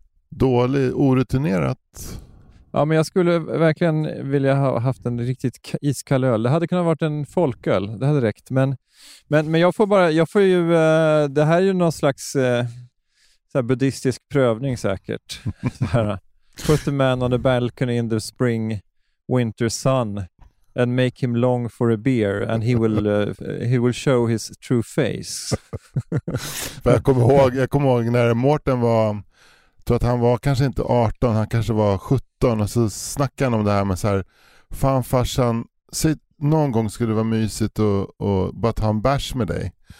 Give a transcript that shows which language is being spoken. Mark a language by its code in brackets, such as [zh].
[sv] Dålig, orutinerat. Ja, men jag skulle verkligen vilja ha haft en riktigt iskall öl. Det hade kunnat varit en folköl. Det hade räckt. Men jag får ju det här är ju någon slags så här buddhistisk prövning säkert. [en] Put the man on the balcony in the spring winter sun and make him long for a beer and he will show his true face. [sv] jag kommer ihåg när Mårten var, så att han var kanske inte 18, han kanske var 17, och så snackade han om det här med så här, fan farsan, säg, någon gång skulle det vara mysigt och bara ta en bärs med dig.